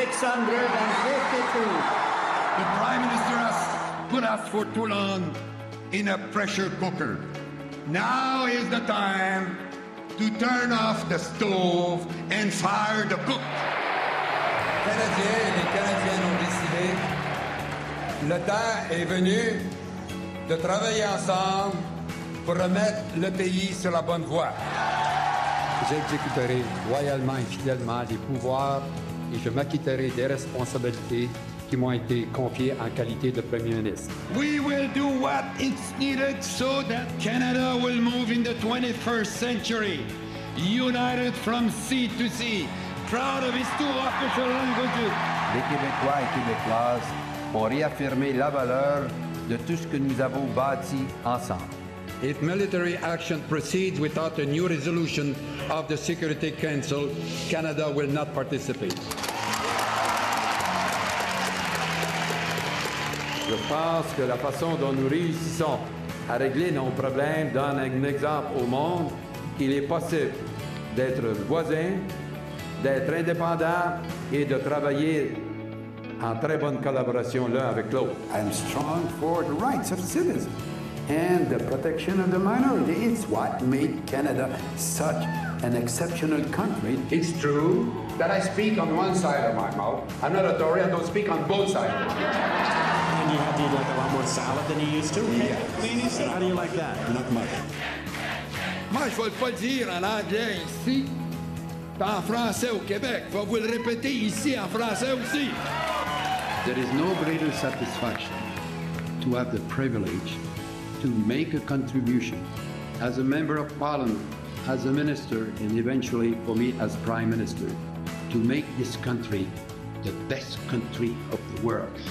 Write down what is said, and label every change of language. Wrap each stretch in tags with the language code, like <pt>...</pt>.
<en>The Prime Minister has put us for too long in a pressure cooker. Now is the time to turn off the stove and fire the cook.</en> <fr>Canadiens et Canadiennes ont décidé. Le temps est venu de travailler ensemble pour remettre le pays sur la bonne voie. J'exécuterai loyalement et fidèlement les pouvoirs et je m'acquitterai des responsabilités qui m'ont été confiés en qualité de premier ministre.</fr> <en>We will do what is needed so that Canada will move in the 21st century, united from sea to sea, proud of its two official languages.</en> <fr>Les Québécois et Québécoises ont réaffirmé la valeur de tout ce que nous avons bâti ensemble.</fr> <en>If military action proceeds without a new resolution of the Security Council, Canada will not participate.</en> <fr>Je pense que la façon dont nous réussissons à régler nos problèmes donne un exemple au monde qu'il est possible d'être voisin, d'être indépendant et de travailler en très bonne collaboration l'un avec l'autre.</fr> <en>I am strong for the rights of citizens and the protection of the minority. It's what made Canada such an exceptional country. It's true that I speak on one side of my mouth. I'm not a Tory, I don't speak on both sides. And you have to eat like a lot more salad than you used to? Yes. How do you like that? Not much.</en> <fr>Moi, je vais pas dire en anglais ici, en français au Québec. Je vais vous le répéter ici en français aussi.</fr> <en>There is no greater satisfaction to have the privilege to make a contribution as a member of parliament, as a minister, and eventually for me as prime minister, to make this country the best country of the world.</en>